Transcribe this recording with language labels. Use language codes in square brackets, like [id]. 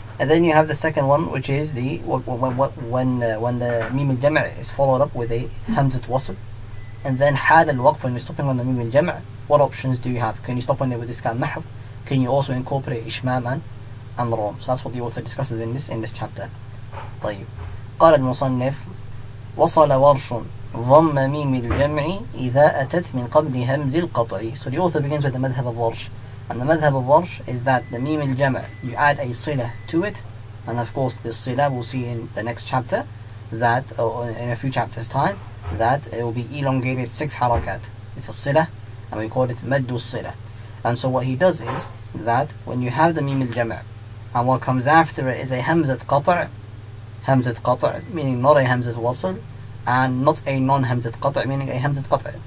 [en] And then you have the second one, which is the when the mim al-jam' is followed up with a hamzat wasl. And then had al-waqf, when you're stopping on the mim al-jam', what options do you have? Can you stop on it with this kind of nahf? Can you also incorporate ishmam and ram? So that's what the author discusses in this chapter. [ar] طيب قال المصنف وصل ورش ضم ميم الجمع إذا أتت من قبل همز القطع. [en] So the author begins with the madhab of Warsh. And the madhab of Warsh is that the meme al-jama' you add a silah to it, and of course this silah we'll see in the next chapter, that in a few chapters time, that it will be elongated 6 harakat. It's a silah, and we call it maddu silah. And so what he does is that when you have the meme al-jama' and what comes after it is a hamzat qat' meaning not a hamzat wasl, and not a non-hamzat qat' meaning a hamzat qat'.